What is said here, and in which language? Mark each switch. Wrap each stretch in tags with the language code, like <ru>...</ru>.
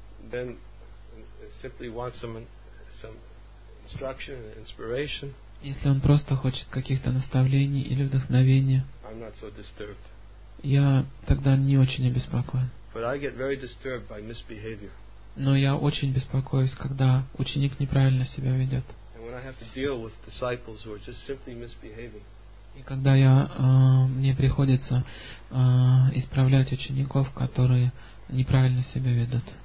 <en>then simply wants some instruction and inspiration.</en> <ru>Если он просто хочет каких-то наставлений или вдохновения,</ru> <en>I'm not so disturbed.</en> <ru>Я тогда не очень обеспокоен.</ru> <en>But I get very disturbed by misbehavior.</en> <ru>Но я очень беспокоюсь, когда ученик неправильно себя ведет.</ru> <en>And when I have to deal with disciples who are just simply misbehaving.</en> <ru>И когда я, мне приходится исправлять учеников, которые неправильно себя ведут.</ru>